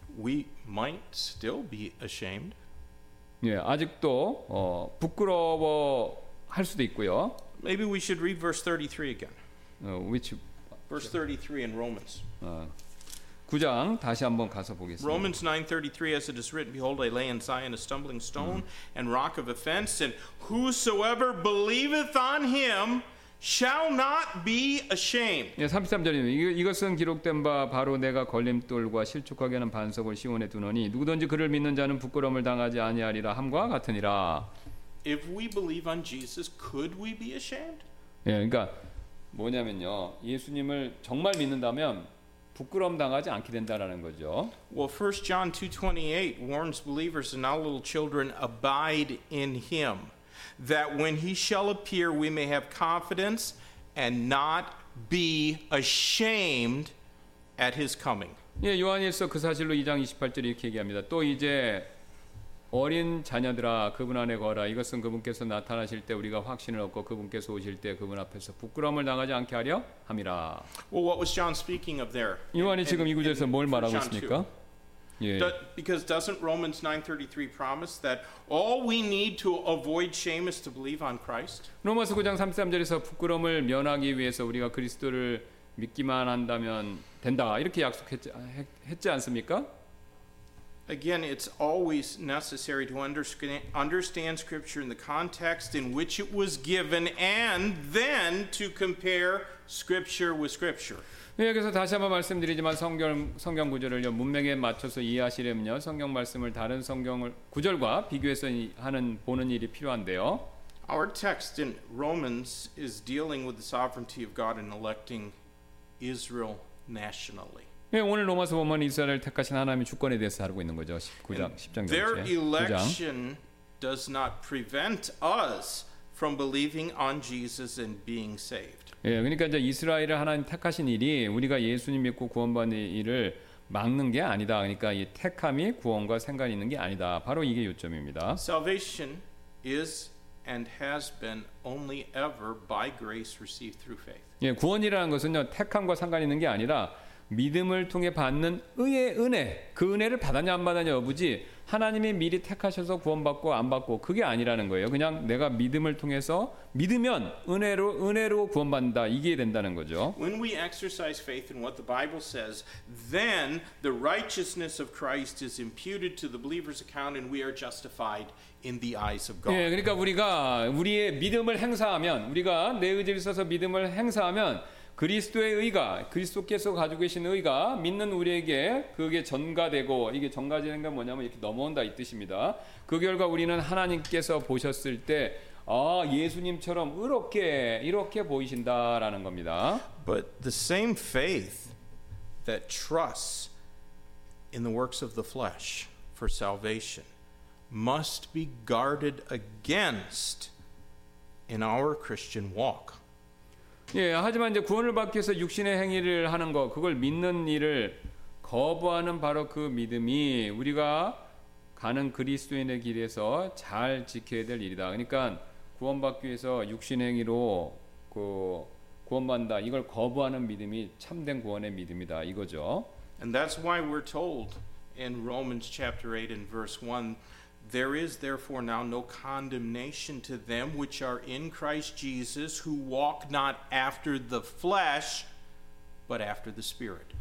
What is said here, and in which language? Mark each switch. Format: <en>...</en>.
<en>We might still be ashamed.</en> <ko>예, 아직도 부끄러워 할 수도 있고요.</ko> <en>Maybe we should read verse 33 again. Which verse 33 in Romans?</en> <ko>9장 다시 한번 가서 보겠습니다.</ko> <en>Romans 9:33, as it is written, Behold, I lay in Zion a stumbling stone and rock of offense, and whosoever believeth on Him shall not be ashamed.</en> <ko>예, 33절입니다. 이것은 기록된 바 바로 내가 걸림돌과 실족하게 하는 반석을 시온에 두노니 누구든지 그를 믿는 자는 부끄러움을 당하지 아니하리라 함과 같으니라.</ko> <en>If we believe on Jesus, could we be ashamed?</en> <ko>예, 그러니까 뭐냐면요. 예수님을 정말 믿는다면 부끄러움 당하지 않게 된다라는 거죠.</ko> <en>Well, 1 John 2:28 warns believers and all little children abide in him. That when he shall appear, we may have confidence and not be ashamed at his coming.</en> <ko>예, 요한일서 그 사실로 2장 28절 이렇게 얘기합니다. 또 이제 어린 자녀들아 그분 안에 거하라. 이것은 그분께서 나타나실 때 우리가 확신을 얻고 그분께서 오실 때 그분 앞에서 부끄러움을 당하지 않게 하려 함이라.</ko> <en>Well, what was John speaking of there?</en> <ko>요한이 지금 이 구절에서 뭘 말하고 있습니까? 예.</ko> <en>Because doesn't Romans 9:33 promise that all we need to avoid shame is to believe on Christ?</en> <ko>로마서 9장 33절에서 부끄러움을 면하기 위해서 우리가 그리스도를 믿기만 한다면 된다 이렇게 약속했지 않습니까?</ko> <en>Again, it's always necessary to understand Scripture in the context in which it was given, and then to compare Scripture with Scripture.</en> <ko>예, 그래서 다시 한번 말씀드리지만 성경 구절을요 문맥에 맞춰서 이해하시려면요 성경 말씀을 다른 성경을 구절과 비교해서 보는 일이 필요한데요.</ko> <en>Our text in Romans is dealing with the sovereignty of God in electing Israel nationally.</en> <ko>예, 오늘 로마서 보면 이스라엘을 택하신 하나님의 주권에 대해서 다루고 있는 거죠. 9장 10장</ko> <en>Their election does not prevent us from believing on Jesus and being saved.</en> <ko>예, 그러니까 이제 이스라엘을 하나님 택하신 일이 우리가 예수님 믿고 구원받는 일을 막는 게 아니다. 그러니까 이 택함이 구원과 상관이 있는 게 아니다. 바로 이게 요점입니다.</ko> <en>Salvation is and has been only ever by grace received through faith.</en> <ko>예, 구원이라는 것은요 택함과 상관이 있는 게 아니라 믿음을 통해 받는 의의 은혜, 그 은혜를 받았냐 안 받았냐 여부지 하나님이 미리 택하셔서 구원받고 안 받고 그게 아니라는 거예요. 그냥 내가 믿음을 통해서 믿으면 은혜로 구원받는다 이게 된다는 거죠.</ko> <en>When we exercise faith in what the Bible says, then the righteousness of Christ is imputed to the believer's account and we are justified in the eyes of God.</en> <ko>예, 그러니까 우리가 우리의 믿음을 행사하면 우리가 내 의지를 써서 믿음을 행사하면 그리스도의 의가 그리스도께서 가지고 계신 의가 믿는 우리에게 그게 전가되고 이게 전가되는 게 뭐냐면 이렇게 넘어온다 이 뜻입니다. 그 결과 우리는 하나님께서 보셨을 때 아, 예수님처럼 의롭게 이렇게 보이신다라는 겁니다.</ko> <en>But the same faith that trusts in the works of the flesh for salvation must be guarded against in our Christian walk.</en> <ko>예, 하지만 이제 구원을 받기 위해서 육신의 행위를 하는 거, 그걸 믿는 일을 거부하는 바로 그 믿음이 우리가 가는 그리스도인의 길에서 잘 지켜야 될 일이다. 그러니까 구원받기 위해서 육신 행위로 그 구원받는다, 이걸 거부하는 믿음이 참된 구원의 믿음이다, 이거죠.</ko> <en>And that's why we're told in Romans chapter 8 and verse 1, there is therefore now no condemnation to them which are in Christ Jesus who walk not after the flesh but after the spirit.</en>